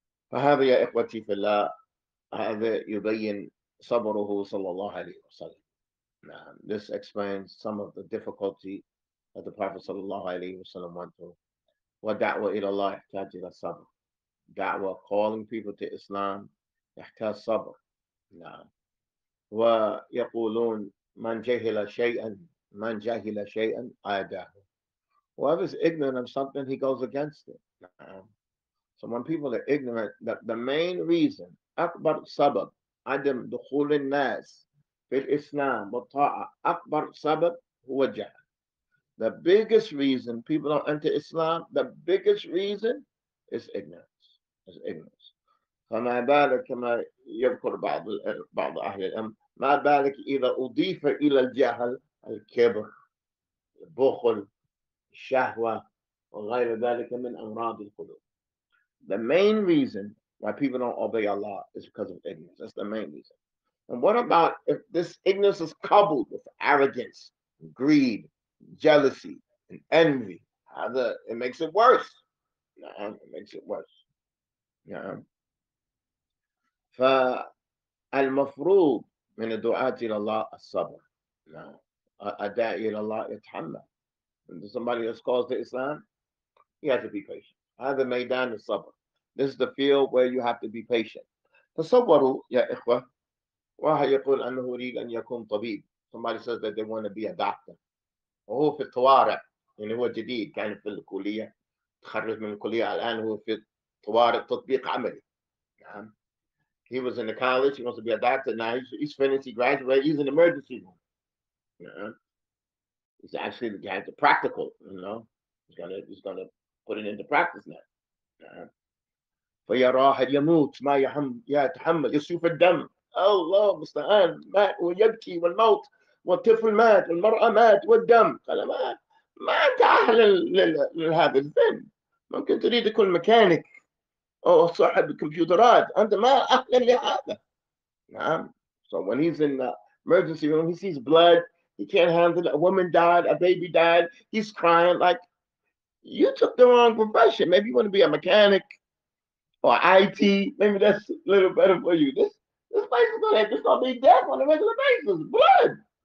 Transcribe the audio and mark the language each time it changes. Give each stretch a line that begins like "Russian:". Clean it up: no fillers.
Arabic: فهذا يا إخوتي في الله, هذا يبين صبره صلى الله عليه وسلم.
English: This explains some of the difficulty that the Prophet صلى الله عليه وسلم went through.
Arabic: ودعوة إلى الله يحتاج إلى صبر.
English: دعوة, calling people to Islam,
Arabic: يحتاج صبر. ويقولون من جهل شيئا, من جهل شيئا عاداه.
English: Whoever's ignorant of something, he goes against it. So when people are ignorant, the main reason,
Arabic: أكبر سبب عدم دخول الناس في الإسلام والطاعة, أكبر سبب هو الجهل.
English: The biggest reason people don't enter Islam, the biggest reason is ignorance. Is ignorance.
Arabic: فما بالك كما يذكر بعض أهل العلم, ما بالك إذا أضيف إلى الجهل الكبر, البخل, الشهوة, وغير ذلك من أمراض القلوب.
English: The main reason why people don't obey Allah is because of ignorance. That's the main reason. And what about if this ignorance is coupled with arrogance, greed, jealousy, and envy. It makes it worse. It makes it worse. نعم.
Arabic: فالمفروض من الدعاة إلى الله الصبر. نعم. الداعي إلى الله يتحمل.
English: When somebody is called to Islam, you have to be patient.
Arabic: هذا ميدان الصبر.
English: This is the field where you have to be patient.
Arabic: تصوروا يا إخوة، واحد يقول أنه يريد أن يكون طبيب.
English: Somebody says that they want to be a doctor.
Arabic: وهو في الطوارئ، يعني هو جديد، كان في الكلية، تخرج من الكلية الآن، هو في طوارئ تطبيق عملي. نعم.
English: He was in the college, he wants to be a doctor. Now he's finished, he graduated, he's in emergency room.
Arabic: نعم.
English: He's actually getting the practical, you know. He's gonna put it into practice now.
Arabic: نعم. فيرى أحد يموت ما يهم يتحمل يشوف الدم. الله المستعان، مات ويبكي والموت والطفل مات والمرأة مات والدم. قال ما أنت أهل لهذا الدم. ممكن تريد تكون ميكانيك أو صاحب كمبيوترات، أنت ما أهل لهذا. نعم.
English: So when he's in the emergency room, he sees blood, he can't handle it, a woman died, a baby died, he's crying like, you took the wrong profession. Maybe you want to be a mechanic or IT. Maybe that's a little better for you. This place is going to have to be death on a regular basis. Blood.